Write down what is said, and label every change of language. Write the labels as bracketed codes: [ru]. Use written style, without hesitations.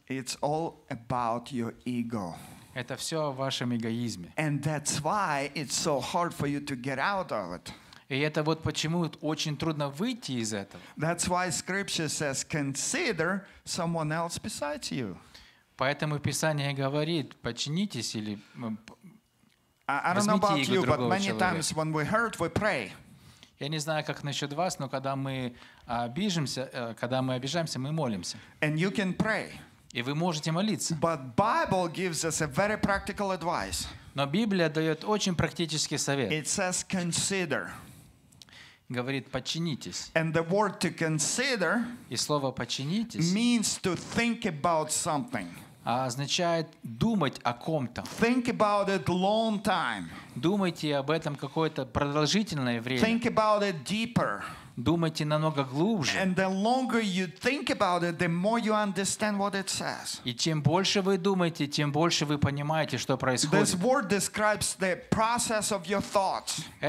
[en] It's all about your ego. [ru] Это все о вашем эгоизме. [en] And that's why it's so hard for you to get out of it. [ru] И это вот почему очень трудно выйти из этого. [en] That's why scripture says, consider someone else besides you. [ru] Поэтому Писание говорит, подчинитесь или я не знаю, как насчет вас, но когда мы обижимся, когда мы обижаемся, мы молимся. [en] And you can pray. [ru] И вы можете молиться. [en] But Bible gives us a very practical advice. [ru] Но Библия дает очень практический совет. [en] It says consider. [ru] Говорит, подчинитесь. [en] And the word to consider [ru] и слово подчинитесь [en] means to think about something. [ru] Означает думать о ком-то. [en] Think about it long time. [ru] Думайте об этом какое-то продолжительное время. [en] Think about it deeper. [ru] Думайте намного глубже. [en] And the longer you think about it, the more you understand what it says. [ru] И чем больше вы думаете, тем больше вы понимаете, что происходит. [en] This word describes the process of your thoughts.